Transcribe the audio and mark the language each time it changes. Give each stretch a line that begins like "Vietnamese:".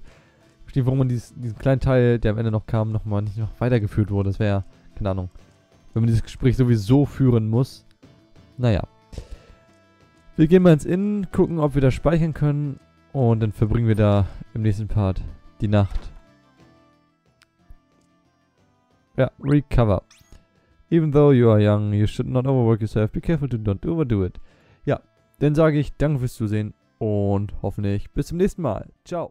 German: Ich verstehe, warum man diesen kleinen Teil, der am Ende noch kam, nochmal nicht noch weitergeführt wurde. Das wäre ja, keine Ahnung, wenn man dieses Gespräch sowieso führen muss. Naja. Wir gehen mal ins Innen, gucken, ob wir da speichern können und dann verbringen wir da im nächsten Part die Nacht. Ja, recover.
English: Even though you are young, you should not overwork yourself. Be careful to not overdo it.
German: Ja, dann sage ich danke fürs Zusehen und hoffentlich bis zum nächsten Mal. Ciao.